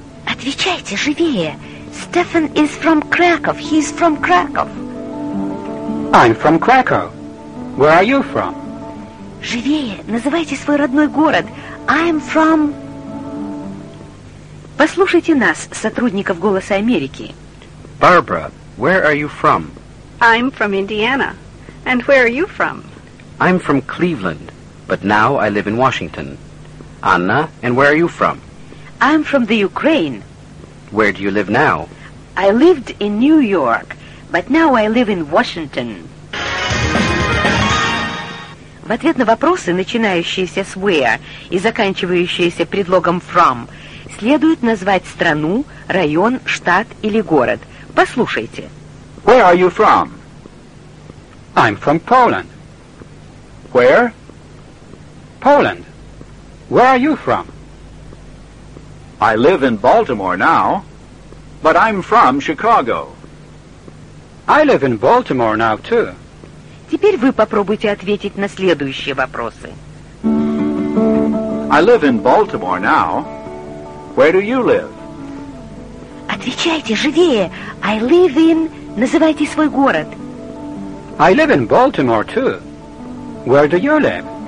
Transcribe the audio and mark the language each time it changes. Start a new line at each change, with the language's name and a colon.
Russian: Отвечайте живее.
English: Stefan is from Krakow. He's from Krakow. I'm from Krakow. Where are you from?
Russian: Живее. Называйте свой родной город.
English: I'm from...
Russian: Послушайте нас, сотрудников «Голоса Америки».
English: Barbara, where are you from? I'm from Indiana. And where are you from? I'm from Cleveland, but now I live in Washington. Anna, and where are you from? I'm from the Ukraine. Where do you live now? I lived in New York, but now I live in Washington.
Russian: В ответ на вопросы, начинающиеся с where и заканчивающиеся предлогом from, следует назвать страну, район, штат или город. Послушайте.
English: Where are you from? I'm from Poland. Where? Poland. Where are you from? I live in Baltimore now, but I'm from Chicago. I live in Baltimore now too.
Russian: Теперь вы попробуйте ответить на следующие вопросы.
English: I live in Baltimore now. Where do you live?
Russian: Отвечайте живее.
English: I live in...
Russian: Называйте свой город.
English: I live in Baltimore too. Where do you live?